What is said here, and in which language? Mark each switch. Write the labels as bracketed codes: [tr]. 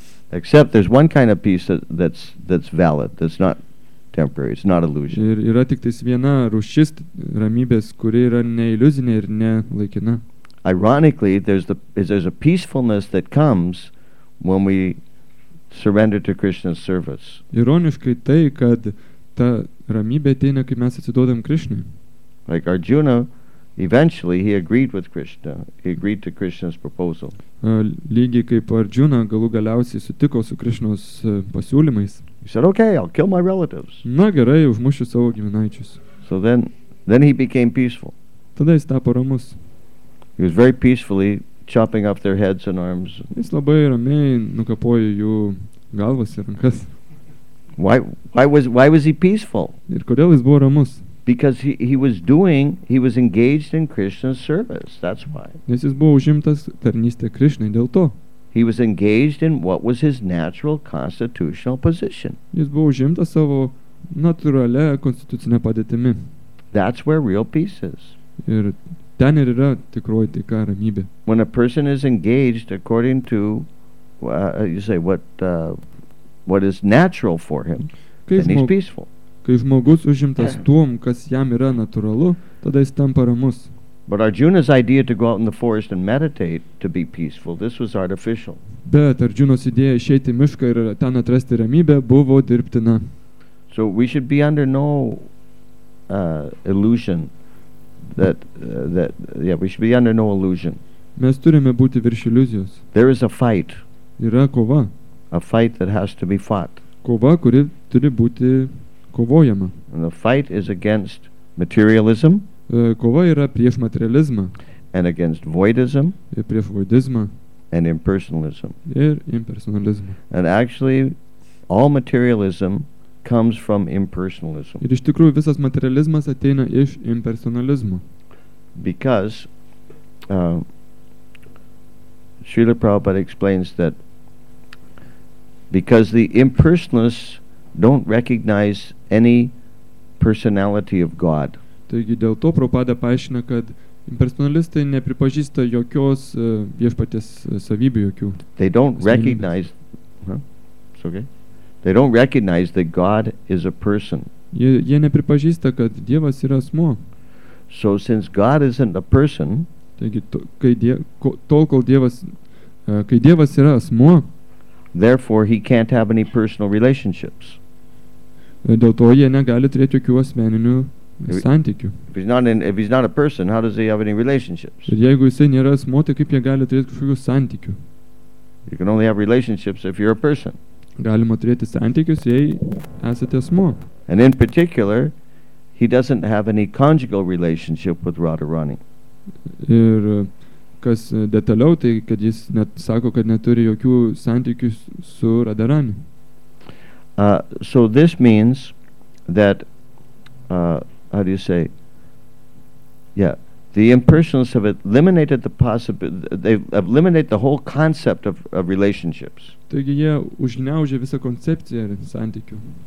[en] Except there's one kind of peace that's valid, that's not temporary, it's not illusion. [lt] Ir yra tik tais viena rūšis ramybės, kuri yra ne iliuzinė ir ne laikina. [en] Ironically, there's a peacefulness that comes when we surrender to Krishna's service. [lt] Ironiškai tai, kad ta ramybė ateina, kai mes atsiduodam Krishnai. [en] Like Arjuna, eventually he agreed with Krishna. He agreed to Krishna's proposal. [lt] Lygiai kaip Arjuna galų galiausiai sutiko su Krishnos pasiūlymais. [en] He said, okay, I'll kill my relatives. [lt] Na gerai, užmušiu savo giminaičius. [en] So then he became peaceful. [lt] Tada jis tapo ramus. [en] He was very peacefully chopping off their heads and arms. [lt] Jis labai ramiai nukapojo jų galvas ir rankas. [en] Why was he peaceful? [lt] Ir kodėl jis buvo ramus? [en] Because he was engaged in Krishna's service, that's why. [lt] Nes jis buvo užimtas tarnystė Krishnai, dėl to. [en] He was engaged in what was his natural constitutional position. [lt] Jis buvo užimtas savo natūralia konstitucinė padėtimi. [en] That's where real peace is. [lt] Ir ten ir yra tikroji taika, ramybė. [en] When a person is engaged according to, you say, what is natural for him, then he's peaceful. [lt] Kai žmogus užimtas tuom, kas jam yra natūralu, tada jis tampa ramus. [en] But Arjuna's idea to go out in the forest and meditate to be peaceful, this was artificial. [lt] Bet Arjunos idėja išeiti į mišką ir ten atrasti ramybę buvo dirbtina. [en] So we should be under no illusion we should be under no illusion. [lt] Mes turime būti virš iliuzijos. [en] There is a fight. [lt] Yra kova. [en] A fight that has to be fought. [lt] Kova, kuri turi būti kovojama. [en] And the fight is against materialism. [lt] Kova yra prieš materializmą. [en] And against voidism. [lt] Ir prieš voidizmą. [en] And impersonalism. [lt] Ir impersonalizmą. [en] And actually, all materialism comes from impersonalism. [lt] Ir iš tikrųjų visas materializmas ateina iš impersonalizmo. [en] Because Srila Prabhupada explains that because the impersonalists don't recognize any personality of God. [lt] Taigi dėl to Prabhupada paaiškina, kad impersonalistai nepripažįsta jokios viešpaties savybių jokių. [en] They don't recognize It's okay. They don't recognize that God is a person. [lt] Jie nepripažįsta, kad Dievas yra asmuo. [en] So since God isn't a person, [lt] taigi kai Dievas yra asmuo, [en] therefore he can't have any personal relationships. [lt] Dėl to jie negali turėti jokių asmeninių santykių. [en] If he's not a person, how does he have any relationships? [lt] Ir jeigu jis nėra asmuo, tai kaip jie gali turėti kažkokių santykių? [en] You can only have relationships if you're a person. [lt] Galima turėti santykius, jei esate asmuo. [en] And in particular, he doesn't have any conjugal relationship with Radharani. [lt] Ir kas detaliau, tai kad jis net sako, kad neturi jokių santykių su Radharani. [en] So this means that how do you say? Yeah, the impersonalists have eliminated the possibility. They have eliminated the whole concept of relationships. [lt] Taigi jie užgniaužė visą koncepciją santykių.